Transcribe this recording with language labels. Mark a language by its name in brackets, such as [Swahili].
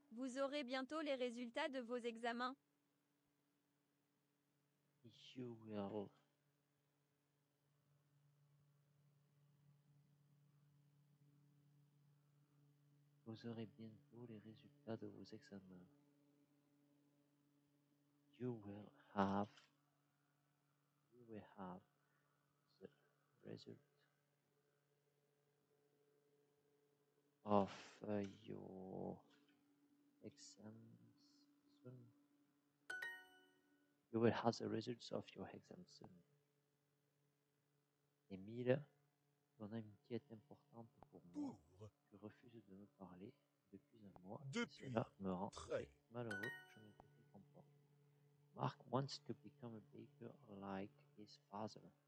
[French] Vous aurez bientôt les résultats de vos examens. [English] You will. [French] Vous aurez bientôt les résultats de vos examens. [English] You will have the result of your exams soon. You will have the results of your exams soon. [French] Emile, tu en as une qui est importante pour moi. Pour tu refuses de me parler depuis un mois. Depuis. Cela me rend malheureux. Je ne comprends pas. [English] Mark wants to become a baker like his father.